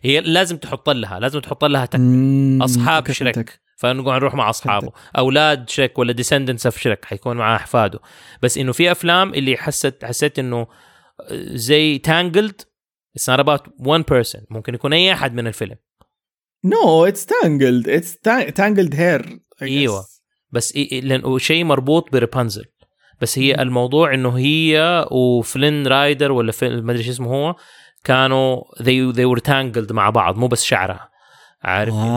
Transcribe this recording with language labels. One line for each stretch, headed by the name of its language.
Arabic: هي لازم تحط لها، لازم تحط لها تكمل أصحاب شريك، فنقول نروح مع أصحابه أولاد شريك ولا
English: descendants of
Arabic: شريك حيكون مع أحفاده. بس إنه في أفلام اللي حسيت إنه زي tangled،
English: it's not about one person،
Arabic: ممكن يكون أي أحد من الفيلم.
English: No it's tangled، it's tangled hair
Arabic: أيوة، بس لأنه شيء مربوط برابنزل، بس هي الموضوع انه هي وفلين رايدر ولا ما ادري ايش اسمه هو كانوا
English: they were tangled
Arabic: مع بعض، مو بس شعره عارف.